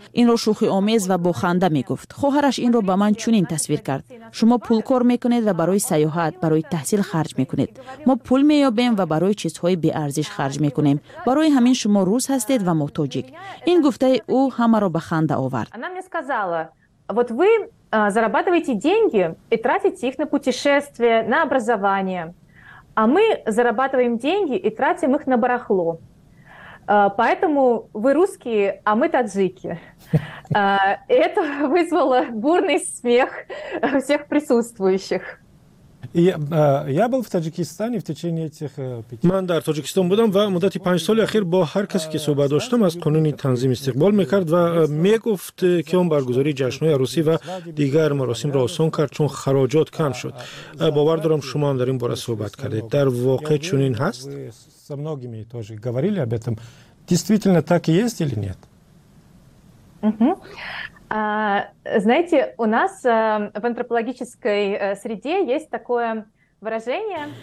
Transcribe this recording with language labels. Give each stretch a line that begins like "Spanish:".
Persian: این را شوخی آمیز و بخنده می گفت. خواهرش این را به من چنین تصویر کرد. شما پول کار می کنید و برای سیاحت، برای تحصیل خرج می کنید. ما پول می یابیم و برای چیزهای بی ارزش خرج می کنیم. برای همین شما روس هستید و ما تاجیک. این گفته او همه را بخنده آورد. انا می
Russian: сказала, вот вы зарабатываете деньги и тратите их на путешествия, на образование. А мы зарабатываем деньги и тратим их на барахло. Поэтому вы русские, а мы таджики. Это вызвало бурный смех всех присутствующих. Я был в Таджикистане в течение этих 5
Tajik: Ман дар Таджикистан будам ва муддати 5 соли ахир бо ҳар касе ки суҳбат доштам аз қонуни танзим истиқбол мекард ва мегуфт ки он баргузори ҷашнҳои арусӣ ва дигар маросимро осон кард чун хароҷот кам шуд. Бовар дорам шумо ҳам дар ин бора суҳбат кардед. Дар воқеъ чунин ҳаст?
Russian: Со многими тоже говорили об этом. Действительно так и есть или нет? Знаете, у нас в антропологической среде есть такое выражение.